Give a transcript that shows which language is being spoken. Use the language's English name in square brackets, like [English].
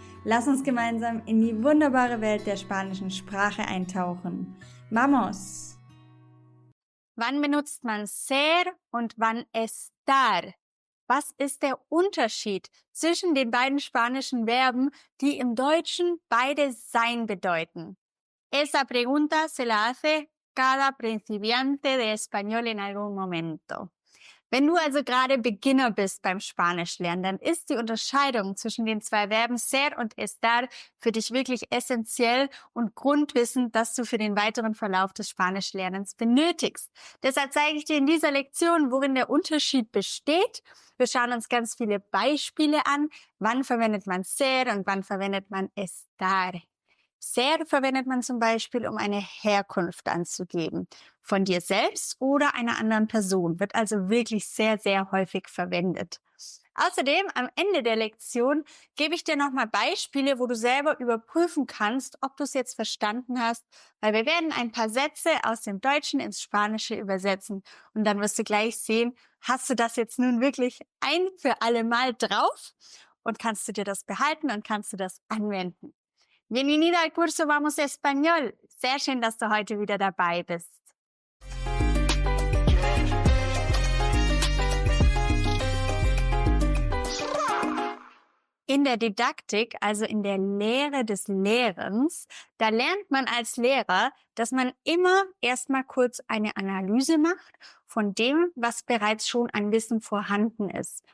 [German] Lass uns gemeinsam in die wunderbare Welt der spanischen Sprache eintauchen. [Spanish] ¡Vamos! [German] Wann benutzt man ser und wann estar? Was ist der Unterschied zwischen den beiden spanischen Verben, die im Deutschen beide sein bedeuten? [Spanish] Esa pregunta se la hace cada principiante de español en algún momento. [German] Wenn du also gerade Beginner bist beim Spanischlernen, dann ist die Unterscheidung zwischen den zwei Verben ser und estar für dich wirklich essentiell und Grundwissen, das du für den weiteren Verlauf des Spanischlernens benötigst. Deshalb zeige ich dir in dieser Lektion, worin der Unterschied besteht. Wir schauen uns ganz viele Beispiele an. Wann verwendet man ser und wann verwendet man estar? Ser verwendet man zum Beispiel, um eine Herkunft anzugeben. Von dir selbst oder einer anderen Person. Wird also wirklich sehr, sehr häufig verwendet. Außerdem, am Ende der Lektion gebe ich dir nochmal Beispiele, wo du selber überprüfen kannst, ob du es jetzt verstanden hast. Weil wir werden ein paar Sätze aus dem Deutschen ins Spanische übersetzen. Und dann wirst du gleich sehen, hast du das jetzt nun wirklich ein für alle Mal drauf? Und kannst du dir das behalten und kannst du das anwenden? [Spanish] Bienvenida al curso Vamos Español. [German] Sehr schön, dass du heute wieder dabei bist. In der Didaktik, also in der Lehre des Lehrens, da lernt man als Lehrer, dass man immer erstmal kurz eine Analyse macht von dem, was bereits schon an Wissen vorhanden ist.